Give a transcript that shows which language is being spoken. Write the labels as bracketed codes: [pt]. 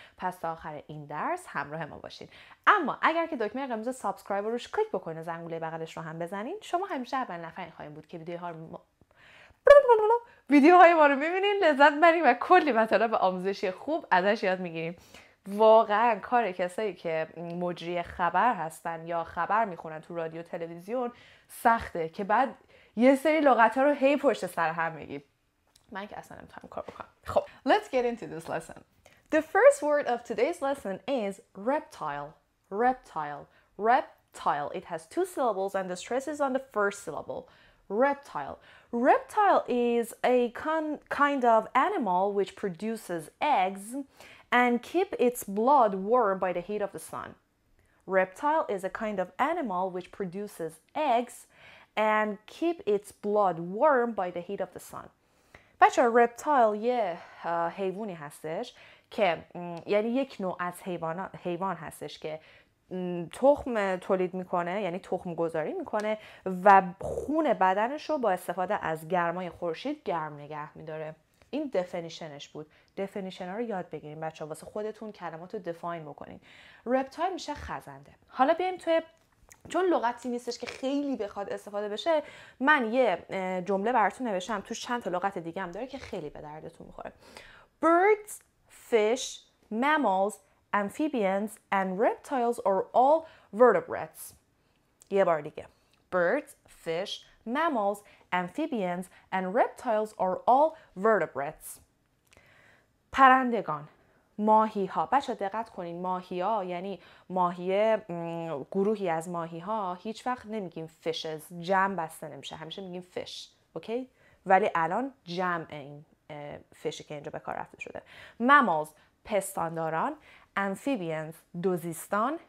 [fa] پس تا آخر این درس همراه ما باشین. اما اگر که دکمه قرمز سابسکرایب روش کلیک بکنین و زنگوله بغلش رو هم بزنین، شما همیشه اول نفرین خواهیم بود که ویدیوها رو ویدیوهای ما رو میبینین، لذت برین و کلی مطالب آموزشی خوب ازش یاد میگیریم. واقعا کار کسایی که مجری خبر هستن یا خبر میخونن تو رادیو تلویزیون سخته که بعد یه سری لغت‌ها رو هی پشت سر هم میگیم. من که اصلا نمیتونم کار بکنم. [en] خب Let's get into this lesson. The first word of today's lesson is reptile. Reptile. Reptile. It has two syllables and the stress is on the first syllable. Reptile. Reptile is a kind of animal which produces eggs and keep its blood warm by the heat of the sun. Reptile is a kind of animal which produces eggs and keep its blood warm by the heat of the sun. [fa] بچه reptile یه حیوانی هستش که یعنی یک نوع از حیوان هستش که تخم تولید میکنه، یعنی تخم گذاری میکنه و خون بدنشو با استفاده از گرمای خورشید گرم نگه میداره. این دفنیشنش بود. دفنیشن ها رو یاد بگیریم بچه ها، واسه خودتون کلمات رو دفاین بکنین. رپتایل میشه خزنده. حالا بیاییم توی، چون لغتی نیستش که خیلی بخواد استفاده بشه، من یه جمله براتون نوشتم، توش چند تا لغت دیگه هم داره که خیلی به دردتون میخوره. [en] Birds, fish, mammals, amphibians and reptiles are all vertebrates. [fa] یه بار دیگه. [en] Birds, fish, mammals, amphibians and reptiles are all vertebrates. [fa] پرندگان، ماهی ها. بچه دقت کنین، ماهی ها یعنی ماهیه، گروهی از ماهی ها. هیچ وقت نمیگیم fishes، جمع بسته نمیشه، همیشه میگیم fish. اوکی؟ ولی الان جمع این fishی که اینجا به کار رفته شده. Mammals، پستانداران. Amphibians، دوزیستان.